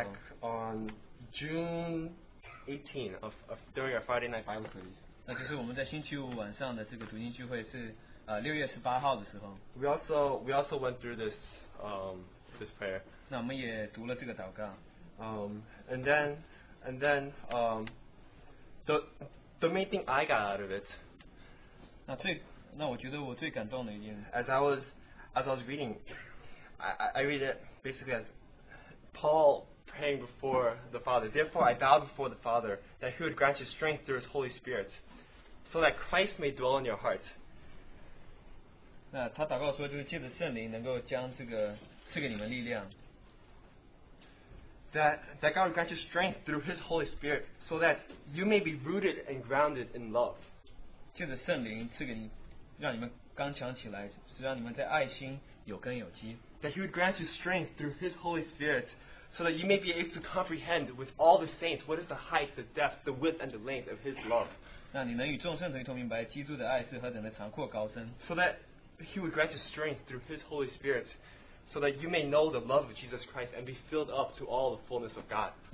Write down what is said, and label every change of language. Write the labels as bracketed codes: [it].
[en] Back on June 18th of during our Friday night Bible studies. [zh] 那就是我们在星期五晚上的这个读经聚会是6月18号的时候。 [en] We also went through this this prayer. [zh] 那我们也读了这个祷告。 [en] And then the main thing I got out of it. [zh] 那最 [en] As I was reading, I read it basically as Paul praying before the Father. Therefore, I bow before the Father that He would grant you strength through His Holy Spirit, so that Christ may dwell in your heart. [zh] 那他祷告说，就是借着圣灵能够将这个赐给你们力量。 [en] That God grant you strength through His Holy Spirit, so that you may be rooted and grounded in love. [zh] 借着圣灵赐给你，让你们刚强起来，是让你们在爱心有根有基。 [en] That He would grant you strength through His Holy Spirit, so that you may be able to comprehend with all the saints what is the height, the depth, the width, and the length of His love. [zh] 那你能与众圣徒一同明白基督的爱是何等的长阔高深。 [en] So that He would grant you strength through His Holy Spirit, so that you may know the love of Jesus Christ and be filled up to all the fullness of God.